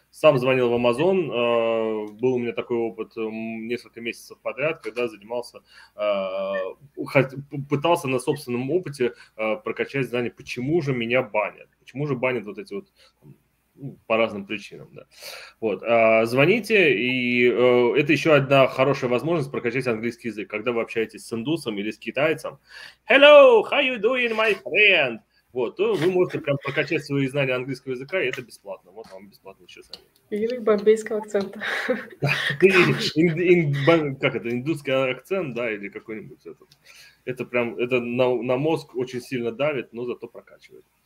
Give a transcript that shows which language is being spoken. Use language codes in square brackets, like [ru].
[ru] Сам звонил в Amazon. Был у меня такой опыт несколько месяцев подряд, когда занимался, пытался на собственном опыте прокачать знания, почему же меня банят. Почему же банят вот эти вот... по разным причинам, да. Вот, звоните, и это еще одна хорошая возможность прокачать английский язык, когда вы общаетесь с индусом или с китайцем. [en] Hello, how you doing, my friend? [ru] Вот, то вы можете прям прокачать свои знания английского языка, и это бесплатно. Вот вам бесплатно еще сами. Или бомбейского акцента. Как это, индусский акцент, да, или какой-нибудь этот. Это прям, это на мозг очень сильно давит, но зато прокачивает.